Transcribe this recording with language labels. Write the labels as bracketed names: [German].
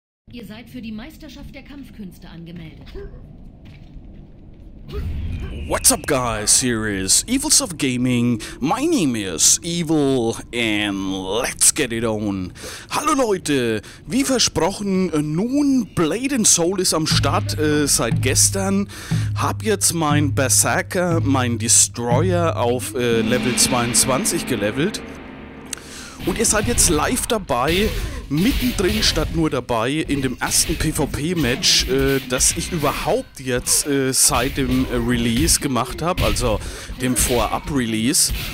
[German] Ihr seid für die Meisterschaft der Kampfkünste angemeldet. [English] What's up, guys? Here is Evil Stuff Gaming. My name is Evil and let's get it on. [German] Hallo Leute, wie versprochen, nun Blade & Soul ist am Start seit gestern. Hab jetzt mein Berserker, mein Destroyer auf Level 22 gelevelt. Und ihr seid jetzt live dabei, mittendrin statt nur dabei, in dem ersten PvP-Match, das ich überhaupt jetzt seit dem Release gemacht habe, also dem Vorab-Release.